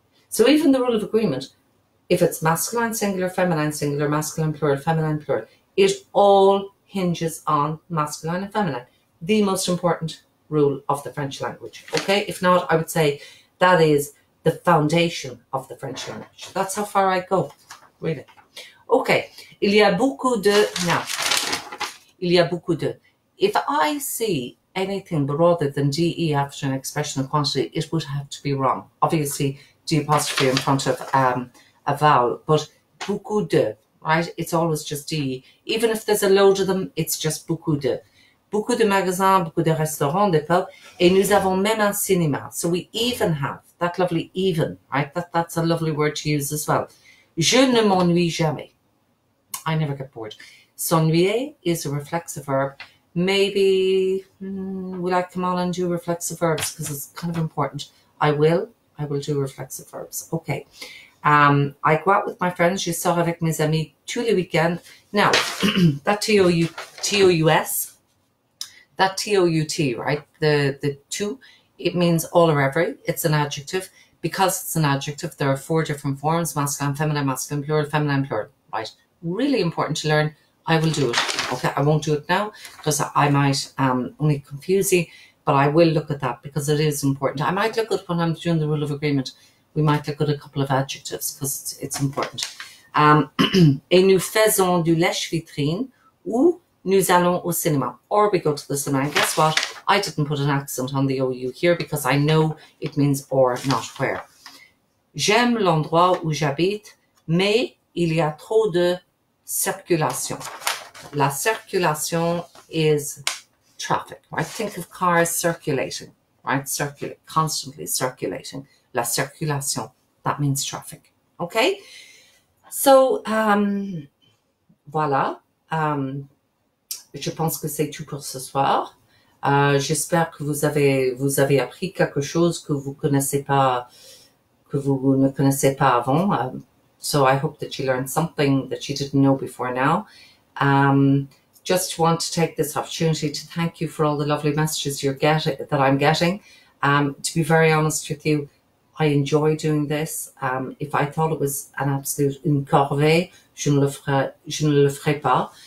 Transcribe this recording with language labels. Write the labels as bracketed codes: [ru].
[en] So even the rule of agreement, if it's masculine singular, feminine singular, masculine plural, feminine plural, it all hinges on masculine and feminine, the most important rule of the French language, okay? If not, I would say that is the foundation of the French language. That's how far I go, really. [fr] Okay, il y a beaucoup de, now, il y a beaucoup de. [en] If I see anything but rather than DE after an expression of quantity, it would have to be wrong. Obviously, D apostrophe in front of a vowel, but [fr] beaucoup de, [en] right? It's always just D. Even if there's a load of them, it's just [fr] beaucoup de magasins, beaucoup de restaurants, de pubs, et nous avons même un cinéma. [en] So we even have that lovely even, right? That's a lovely word to use as well. [fr] Je ne m'ennuie jamais. [en] I never get bored. S'ennuyer is a reflexive verb. Maybe we like come on and do reflexive verbs because it's kind of important. I will do reflexive verbs. Okay. I go out with my friends. [fr] Je sors avec mes amis tous les week-ends. [en] Now, that T-O-U-S, that T-O-U-T, right? The two, it means all or every. It's an adjective. Because it's an adjective, there are four different forms: masculine, plural, feminine, plural. Right? Really important to learn. I will do it. Okay, I won't do it now because I might only confuse you, but I will look at that because it is important. I might look at when I'm doing the rule of agreement. We might look at a couple of adjectives because it's important. [fr] et nous faisons du lèche-vitrine ou nous allons au cinéma. [en] Or we go to the cinema. And guess what? I didn't put an accent on the OU here because I know it means or, not where. [fr] J'aime l'endroit où j'habite, mais il y a trop de circulation. [en] La circulation is traffic, right? Think of cars circulating, right? Circulate, constantly circulating. La circulation, that means traffic. Okay? So, voilà. [fr] Je pense que c'est tout pour ce soir. J'espère que vous avez appris quelque chose que vous ne connaissez pas avant. [en] So I hope that you learned something that you didn't know before now. Just want to take this opportunity to thank you for all the lovely messages that I'm getting. To be very honest with you, I enjoy doing this. If I thought it was an absolute [fr] une corvée, je ne le ferais pas.